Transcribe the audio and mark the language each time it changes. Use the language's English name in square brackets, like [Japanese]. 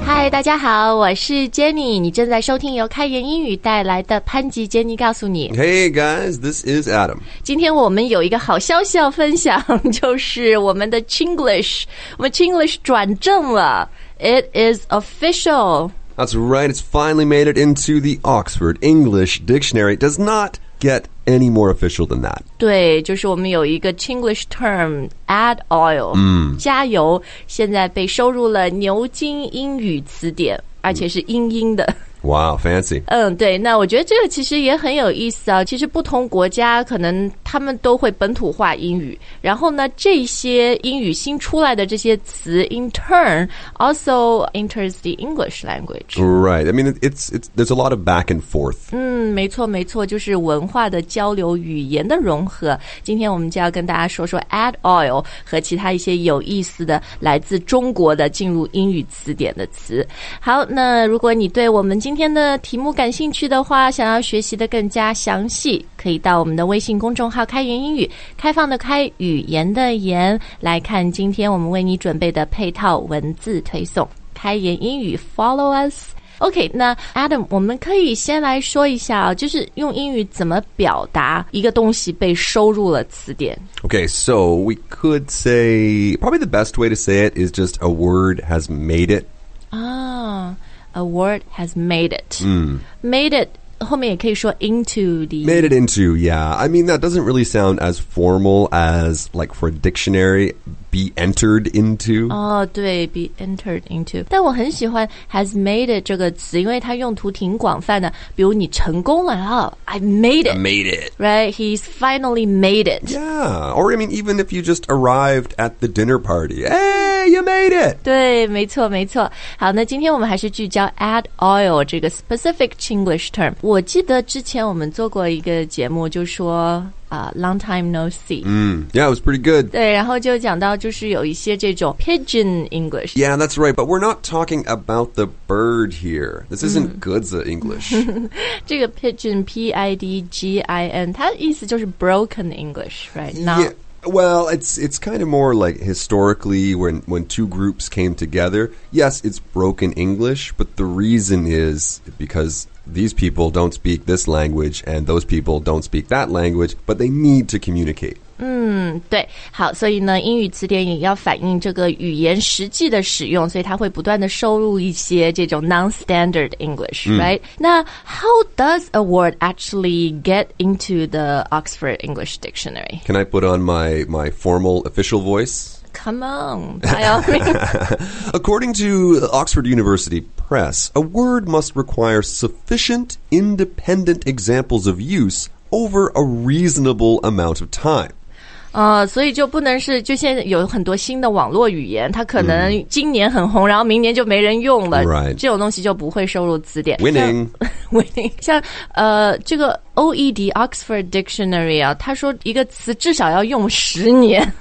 [Chinese] 大家好，我是 Jenny， 你正在收听由开言英语带来的潘吉 Jenny 告诉你。 [English] Hey guys, this is Adam. [Chinese] 今天我们有一个好消息要分享，就是我们的 Chinglish， 我们 Chinglish 转正了。 [English] It is official. That's right, it's finally made it into the Oxford English Dictionary. It does not get any more official than that. [Chinese] 对，就是我们有一个 [English] Chinglish term, add oil,、 [Chinese] 加油，现在被收入了牛津英语词典，而且是英英的。 [English] Wow, fancy. [Chinese] 嗯，对，那我觉得这个其实也很有意思啊。其实不同国家可能他们都会本土化英语，然后呢，这些英语新出来的这些词 [English] in turn also enters the English language. Right. I mean, there's a lot of back and forth. [Chinese] 嗯，没错，没错，就是文化的交流，语言的融合。今天我们就要跟大家说说 add oil 和其他一些有意思的来自中国的进入英语词典的词。好，那如果你对我们今天的题目感兴趣的话，想要学习的更加详细，可以到我们的微信公众号开言英语，开放的开，语言的言，来看今天我们为你准备的配套文字推送，开言英语 [English] follow us。 [Chinese] OK， 那 Adam， 我们可以先来说一下，就是用英语怎么表达一个东西被收入了词典。 [English] OK， so we could say probably the best way to say it is just a word has made it A word has made it.、Made it, [Chinese] 后面也可以说 [English] into the... Made it into, yeah. I mean, that doesn't really sound as formal as, like, for a dictionary, be entered into. Oh, [Chinese] 对, [English] be entered into. [Chinese] 但我很喜欢 [English] has made it [Chinese] 这个词，因为它用途挺广泛的。比如你成功了、 [English] I made it. Right? He's finally made it. Yeah. Or, I mean, even if you just arrived at the dinner party, You made it. [Chinese] 对，没错，没错。好，那今天我们还是聚焦 add oil 这个 specific Chinglish term。我记得之前我们做过一个节目，就说 [English] long time no see. Yeah, it was pretty good. [Chinese] 对，然后就讲到就是有一些这种 [English] pigeon English. Yeah, that's right. But we're not talking about the bird here. This isn't goods English. [Chinese] 这个 pigeon, P-I-D-G-I-N, 它的意思就是 [English] broken English, right? Not.、Yeah. Well, it's kind of more like historically when two groups came together. Yes, it's broken English, but the reason is because these people don't speak this language and those people don't speak that language, but they need to communicate. [Chinese] 对，好，所以呢，英语词典也要反映这个语言实际的使用，所以它会不断的收入一些这种 [English] non-standard English,、right? [Chinese] 那 [English] how does a word actually get into the Oxford English Dictionary? Can I put on my formal official voice? Come on, by all means. According to Oxford University Press, a word must require sufficient independent examples of use over a reasonable amount of time. [Chinese] 所以就不能是就现在有很多新的网络语言它可能今年很红然后明年就没人用了、 [English] right. [Chinese] 这种东西就不会收入词典 [English] Winning [Chinese] Winning 像这个 OED Oxford Dictionary 啊他说一个词至少要用十年